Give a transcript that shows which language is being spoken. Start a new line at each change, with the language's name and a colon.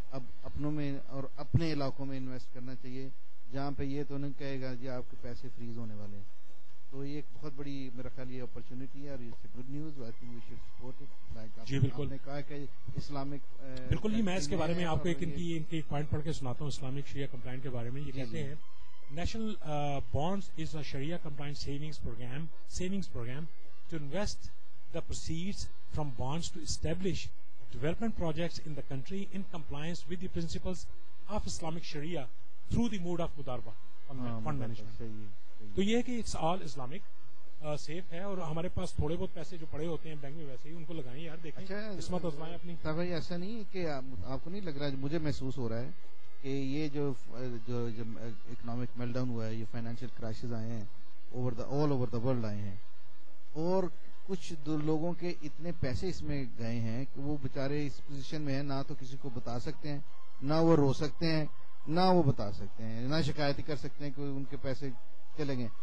Urdu: اب اپنوں میں اور اپنے علاقوں میں انویسٹ کرنا چاہیے, جہاں پہ یہ تو نہیں کہے گا جی آپ کے پیسے فریز ہونے والے ہیں. تو یہ ایک بہت بڑی میرا خیال یہ اپرچونٹی ہے اور
English: It's a good news, I think we should support it.
Urdu: جی بالکل, نے کہا کہ اسلامک, بالکل میں اس کے بارے میں آپ کو ایک پوائنٹ پڑھ کے سناتا ہوں اسلامک شریعہ کمپلائنٹ کے بارے میں. یہ کہتے ہیں
English: National bonds is a Sharia compliant savings program to invest the proceeds from bonds to establish development projects in the country in compliance with the principles of Islamic Sharia through the mode of mudarabah fund management.
Urdu: تو یہ کہ it's all Islamic safe ہے اور ہمارے پاس تھوڑے بہت پیسے جو پڑے ہوتے ہیں بینک میں ویسے ہی ان کو لگائیں. یار دیکھیں قسمت آزمائیں اپنی. تو بھائی ایسا نہیں کہ آپ کو نہیں لگ رہا, مجھے محسوس ہو رہا ہے کہ یہ جو اکنامک میل ڈاؤن ہوا ہے, یہ فائنینشیل کرائسز آئے ہیں آل اوور دا ورلڈ آئے ہیں, اور کچھ لوگوں کے اتنے پیسے اس میں گئے ہیں کہ وہ بےچارے اس پوزیشن میں ہیں, نہ تو کسی کو بتا سکتے ہیں, نہ وہ رو سکتے ہیں, نہ وہ بتا سکتے ہیں, نہ شکایت کر سکتے ہیں کہ ان کے پیسے چلے گئے.